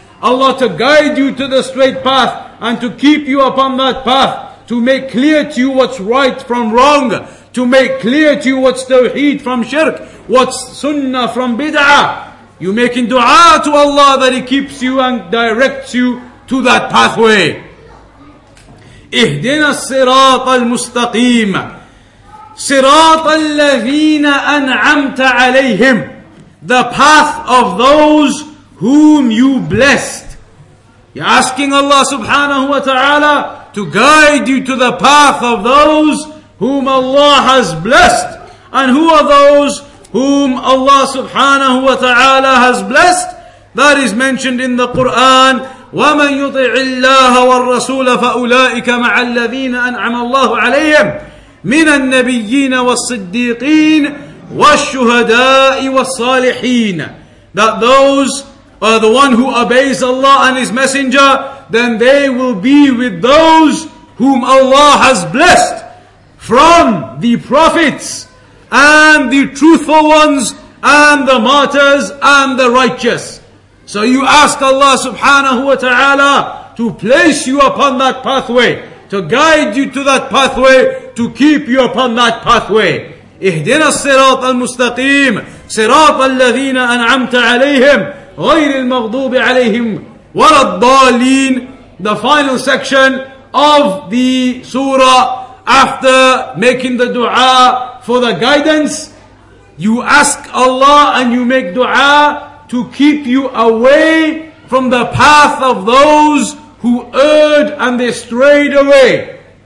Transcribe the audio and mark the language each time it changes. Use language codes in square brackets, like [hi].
[en] Allah to guide you to the straight path and to keep you upon that path, to make clear to you what's right from wrong, to make clear to you what's tawheed from shirk, what's sunnah from bid'ah. You making dua to Allah that He keeps you and directs you to that pathway. [ar] اهدنا الصراط المستقيم صراط الذين أنعمت عليهم. [en] The path of those whom you blessed. You're asking Allah subhanahu wa ta'ala to guide you to the path of those whom Allah has blessed. And who are those whom Allah subhanahu wa ta'ala has blessed? That is mentioned in the Quran. [ar] وَمَنْ يُطِعِ اللَّهَ وَالرَّسُولَ فَأُولَٰئِكَ مَعَ الَّذِينَ أَنْعَمَ اللَّهُ عَلَيْهِمْ مِنَ النَّبِيِّينَ وَالصِّدِّيقِينَ وَالشُّهَدَاءِ وَالصَّالِحِينَ. [en] That those are the one who obeys Allah and His Messenger, then they will be with those whom Allah has blessed from the prophets and the truthful ones and the martyrs and the righteous. So you ask Allah subhanahu wa ta'ala to place you upon that pathway, to guide you to that pathway, to keep you upon that pathway. [ar] اهدنا الصراط المستقيم صراط الذين أنعمت عليهم غير المغضوب عليهم ولا الضالين. [en] The final section of the surah, after making the dua for the guidance, you ask Allah and you make dua to keep you away from the path of those who erred and they strayed away.